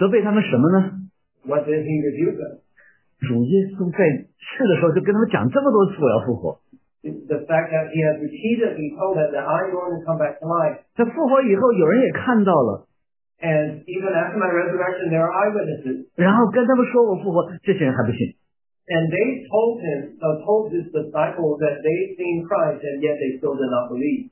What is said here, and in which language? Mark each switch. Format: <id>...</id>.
<zh>责备他们什么呢？</zh> <en>What did he rebuke them?</en> <zh>主耶稣在世的时候就跟他们讲这么多次我要复活。</zh> <en>The fact that he has repeatedly told them that I'm going to come back to life.</en> <zh>他复活以后有人也看到了。</zh> <en>And even after my resurrection, there are eyewitnesses.</en> <zh>然后跟他们说我复活，这些人还不信。</zh> <en>And they told him, told his disciples that they've seen Christ, and yet they still did not believe.</en>